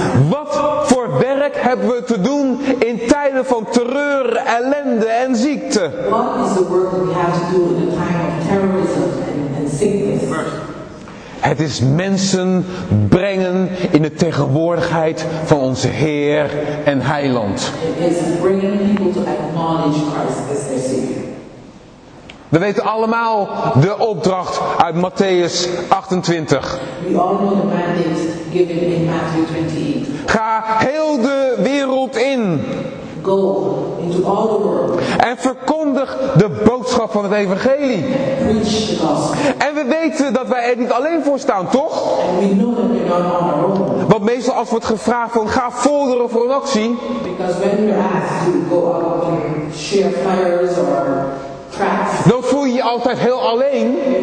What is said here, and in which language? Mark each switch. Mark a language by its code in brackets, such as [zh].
[nl] Wat voor werk hebben we te doen in tijden van terreur, ellende en ziekte? [en] What is the work we have to do in the time of terrorism and sickness? [nl] Het is mensen brengen in de tegenwoordigheid van onze Heer en Heiland. [en] It is bringing people to acknowledge Christ as their Savior. [nl] We weten allemaal de opdracht uit Matteüs 28. [en] We all know the mandate given in Matthew 28. [nl] Ga heel de wereld in. [en] Go into all the world. [nl] En verkondig de boodschap van het evangelie. [en] Preach the gospel. [nl] En we weten dat wij er niet alleen voor staan, toch? [en] And we know that we're not on our own. [nl] Want meestal als wordt gevraagd van ga vorderen voor een actie. [en] Because when you're asked to go out and share fires or [nl] dan voel je je altijd heel alleen.